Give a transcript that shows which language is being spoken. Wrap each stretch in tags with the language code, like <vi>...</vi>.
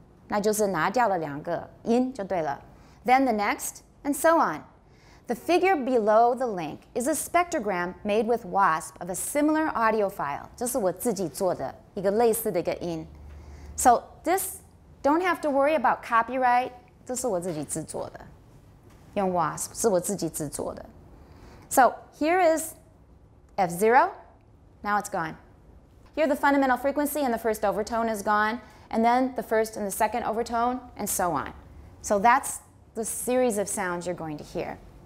<zh>那就是拿掉了两个音就对了.</zh> <en>Then the next, and so on. The figure below the link is a spectrogram made with WASP of a similar audio file.</en> <zh>这是我自己做的一个类似的一个音.</zh> <en>So this, don't have to worry about copyright.</en> <zh>这是我自己制作的.用 WASP, 是我自己制作的.</zh> <en>So here is F0. Now it's gone. Here the fundamental frequency and the first overtone is gone, and then the first and the second overtone, and so on. So that's the series of sounds you're going to hear.</en>